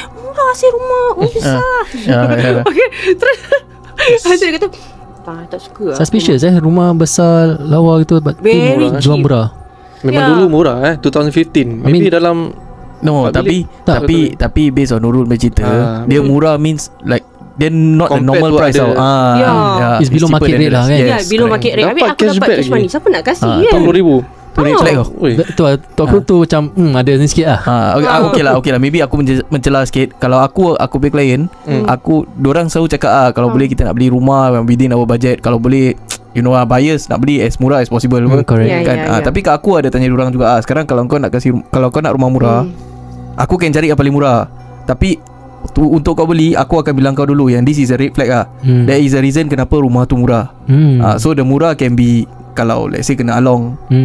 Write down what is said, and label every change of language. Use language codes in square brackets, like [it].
[ms] Murah sih rumah. Besar. Okay. Terus I kata tak suka lah. Suspicious eh, rumah besar lawa gitu. [en] Very [ms] jual murah. Memang dulu murah eh, 2015. Maybe dalam [en] Tapi based on Nurul [ms] bercerita, dia murah [en] means like then not compared the normal price. It's below market rate lah kan. Yeah, below market rate. [ms] Habis aku dapat cash money, siapa nak kasih? RM10,000. Aku tu macam ada ni sikit lah. Okay lah. Maybe aku mencelah sikit. Kalau aku pay client, diorang selalu cakap kalau boleh kita nak beli rumah [en] within our budget. [ms] Kalau boleh [en] you know, buyers [ms] nak beli [en] as murah as possible. Hmm, correct. Yeah, kan? Yeah, yeah. [ms] Tapi kak aku ada tanya diorang juga, sekarang kalau kau nak kasi, kalau kau nak rumah murah, aku akan cari yang paling murah. Tapi tu, untuk kau beli, aku akan bilang kau dulu yang [en] this is a red flag [ms] lah. [en] There is a reason [ms] kenapa rumah tu murah. [en] So the murah can be kalau let's say [ms] kena along.